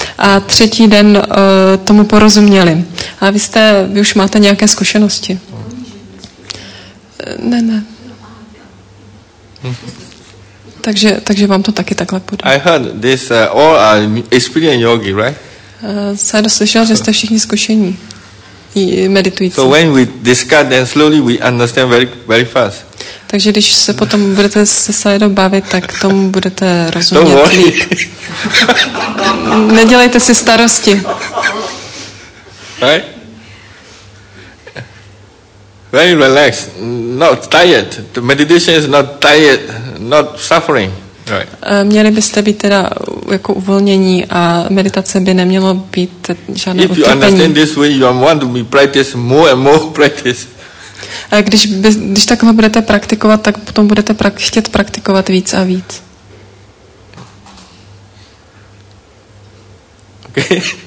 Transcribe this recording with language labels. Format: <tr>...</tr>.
<cs>A třetí den tomu porozuměli. A vy už máte nějaké zkušenosti. Ne. Takže vám to taky takhle půjde.</cs> <en>I heard this all experienced yogi, right?</en> <cs>Sayada slyšel, že jste všichni zkušení meditující.</cs> <en>So when we discuss, then slowly we understand very, very fast.</en> <cs>Takže když se potom budete se Sayadou bavit, tak tomu budete rozumět.</cs> <en>Don't worry.</en> <cs>Nedělejte si starosti.</cs> <en>Right? Very relaxed. Not tired. The meditation is not tired. Not suffering. Right.</en> <cs>Měli byste být teda jako uvolnění a meditace by nemělo být žádné utrpení.</cs> <en>If you understand this way, you want to be practice more and more practice.</en> <cs>A když takhle budete praktikovat, tak potom budete chtět praktikovat víc a víc.</cs> <en>Okay.</en>